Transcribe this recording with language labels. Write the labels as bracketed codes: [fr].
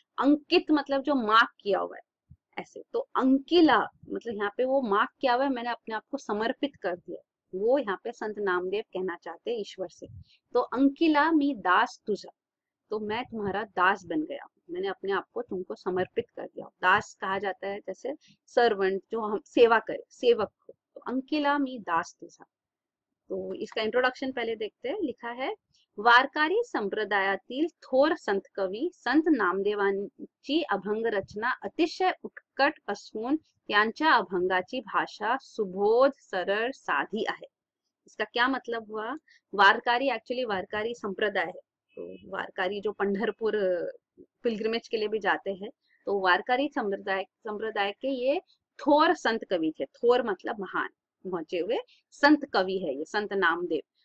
[hi] अंकित मतलब जो मार्क किया हुआ है ऐसे। तो अंकिला मतलब यहाँ पे वो मार्क किया हुआ है, मैंने अपने आप को समर्पित कर दिया, वो यहाँ पे संत नामदेव कहना चाहते हैं ईश्वर से। तो [mr] अंकिला मी दास तुझा, [hi] तो मैं तुम्हारा दास बन गया, मैंने अपने आप को तुमको समर्पित कर दिया। दास कहा जाता है जैसे सर्वेंट, जो हम सेवा करे, सेवक हो। तो [mr] अंकिला मी दास तुझा। [hi] तो इसका इंट्रोडक्शन पहले देखते हैं। [mr] लिखा है वारकारी संप्रदायातील थोर संत कवि संत नामदेवांची अभंग रचना अतिशय उत्कट असून त्यांच्या अभंगाची भाषा सुबोध सरळ साधी आहे। [hi] इसका क्या मतलब हुआ, वारकारी एक्चुअली वारकारी संप्रदाय है, तो वारकारी जो पंढरपुर पिलग्रिमेज के लिए भी जाते हैं, तो वारकारी संप्रदाय संप्रदाय के ये थोर संत कवि थे। थोर मतलब महान, पहुंचे हुए संत कवि है ये संत नामदेव।